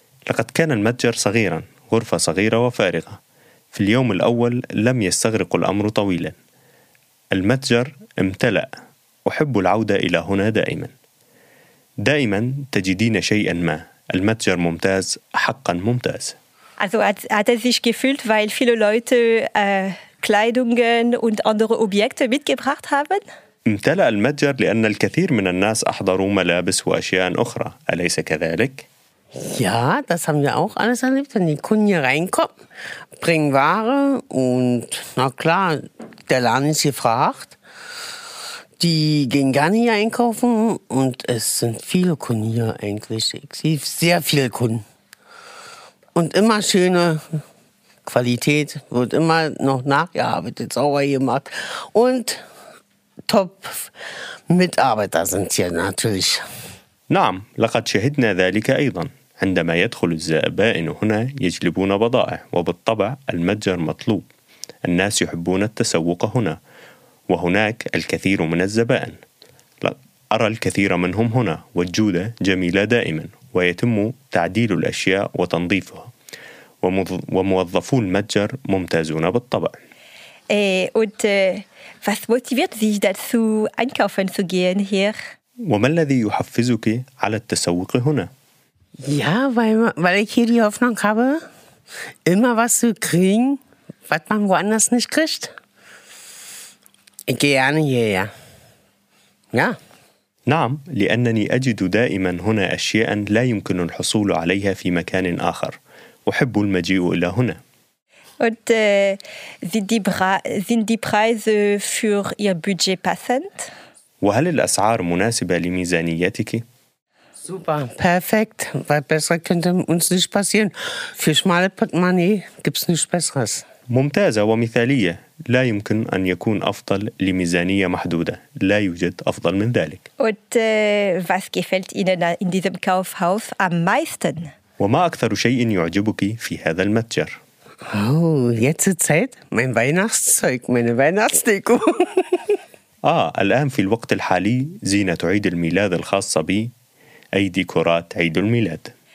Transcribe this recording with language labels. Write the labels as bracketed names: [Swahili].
[Arabic] لقد كان المتجر صغيرا، غرفة صغيرة وفارغة. في اليوم الأول لم يستغرق الأمر طويلا. المتجر امتلأ. أحب العودة إلى هنا دائما. دائما تجدين شيئا ما المتجر ممتاز حقا ممتاز. [German] Also hat er sich gefühlt, weil viele Leute Kleidungen und andere Objekte mitgebracht haben. [Arabic] امتلأ المتجر لأن الكثير من الناس أحضروا ملابس وأشياء أخرى أليس كذلك؟ [German] Ja, das haben wir auch alles erlebt, wenn die Kunden hier reinkommen, bringen Ware und na klar, der Laden ist gefragt. Die gehen gerne hier einkaufen und es sind viele Kunden hier eigentlich. Ich sehe sehr viele Kunden. Und immer schöne Qualität, wird immer noch nachgearbeitet, sauber gemacht. Und Top-Mitarbeiter sind hier natürlich. [Arabic] نعم, لقد شهدنا ذلك أيضا. عندما يدخل الزبائن هنا يجلبون بضائع. وبالطبع المتجر مطلوب. الناس يحبون التسوق هنا. وهناك الكثير من الزبائن. أرى الكثير منهم هنا والجودة جميلة دائما ويتم تعديل الأشياء وتنظيفها. وموظفو المتجر ممتازون بالطبع. [German] Und was motiviert Sie dazu, einkaufen zu gehen hier? [Arabic] وما الذي يحفزك على التسوق هنا؟ [German] Ja, weil ich hier die Hoffnung habe, immer was zu kriegen, was man woanders nicht kriegt. Ich gehe gerne hierher. Ja. Ja. [Arabic] نعم لأنني أجد دائما هنا أشياء لا يمكن الحصول عليها في مكان آخر. أحب المجيء إلى هنا. [German] Und sind die Preise für Ihr Budget passend? [Arabic] وهل الأسعار مناسبة لميزانيتك؟ [German] Super, perfekt. Weil besser könnte uns nicht passieren. Für schmale Portemonnaie gibt's nichts Besseres. [Arabic] ممتازة ومثالية. لا يمكن أن يكون أفضل لميزانية محدودة. لا يوجد أفضل من ذلك. [German] Und was gefällt Ihnen in diesem Kaufhaus am meisten? [Arabic] وما أكثر شيء يعجبك في هذا المتجر؟ [German] Oh, jetzt Zeit, mein Weihnachtszeug, meine Weihnachtsdeko. [Arabic] آه، الآن في الوقت الحالي زينة عيد الميلاد الخاصة بي، أي ديكورات عيد الميلاد.